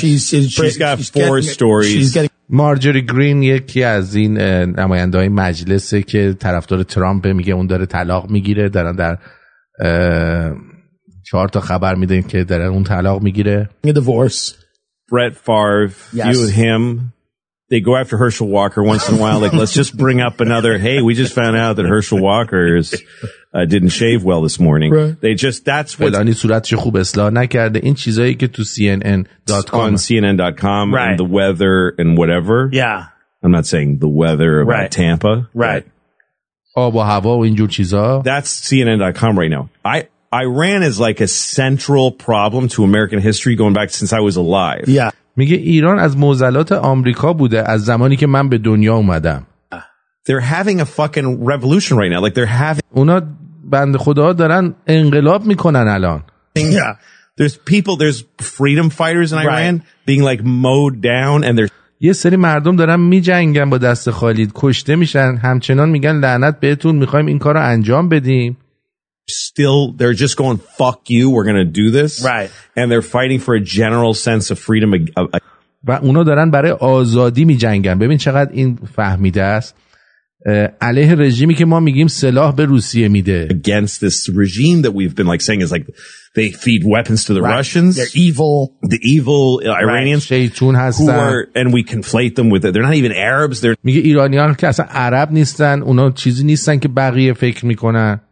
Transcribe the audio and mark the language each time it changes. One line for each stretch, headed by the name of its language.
English: She's got four stories.
Persian: Marjorie Greene, یکی از این نماینده‌های مجلسه که طرفدار ترامپ، میگه اون داره طلاق میگیره، دارن در چهار تا خبر میدن که دارن اون طلاق میگیره.
English: Divorce. Brett Favre, yes. You and him. They go after Herschel Walker once in a while. Like, let's just bring up another. Hey, we just found out that Herschel Walker's didn't shave well this morning. Right. They just, that's what.
Persian: الان صورتش خوب اصلاح نکرده. این چیزایی که تو CNN.com.
English: On CNN.com. Right. And the weather and whatever. Yeah. I'm not saying the weather about right. Tampa. Right.
Persian: آب و هوا و اینجور چیزا.
English: That's CNN.com right now. Iran is like a central problem to American history going back since I was alive. Yeah.
Persian: میگه ایران از معضلات آمریکا بوده از زمانی که من به دنیا اومدم.
English: They're having a fucking revolution right now. Like they're having.
Persian: اونا بند خدا دارن انقلاب میکنن الان.
English: Yeah. There's people, there's freedom fighters in Iran right. being like mowed down and they're.
Persian: یه سری مردم دارن میجنگن با دست خالی، کشته میشن، همچنان میگن لعنت بهتون، میخوایم این کارو انجام بدیم.
English: Still, they're just going, fuck you, we're going to do this. Right. And they're fighting for a general sense of freedom.
Persian: و اونا دارن برای آزادی می جنگن. ببین چقدر این فهمیده است. علیه رژیمی که ما میگیم سلاح به روسیه میده.
English: Against this regime that we've been like saying is like they feed weapons to the right. Russians. They're evil. The evil Iranians.
Persian: شیطون هستن.
English: Who are, and we conflate them with it. They're not even Arabs. They're
Persian: میگه ایرانیان که اصلا عرب نیستن. اونا چیزی نیستن که بقیه فکر میکنن.